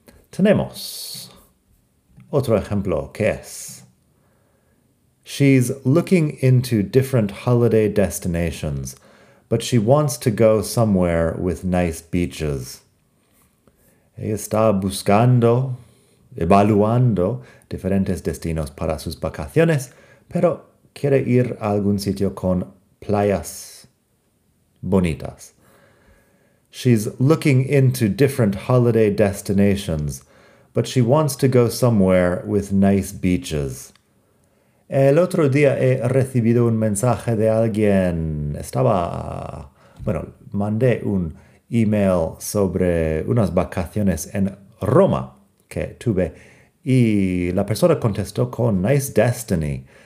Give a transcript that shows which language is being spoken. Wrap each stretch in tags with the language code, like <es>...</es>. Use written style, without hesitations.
<es>Tenemos otro ejemplo que es</es> <en>she's looking into different holiday destinations, but she wants to go somewhere with nice beaches.</en> <es>Ella está buscando, evaluando diferentes destinos para sus vacaciones, pero quiere ir a algún sitio con playas bonitas.</es> <en>She's looking into different holiday destinations, but she wants to go somewhere with nice beaches.</en> <es>El otro día he recibido un mensaje de alguien. Estaba, bueno, mandé un email sobre unas vacaciones en Roma que tuve y la persona contestó con</es> <en>nice destiny.</en>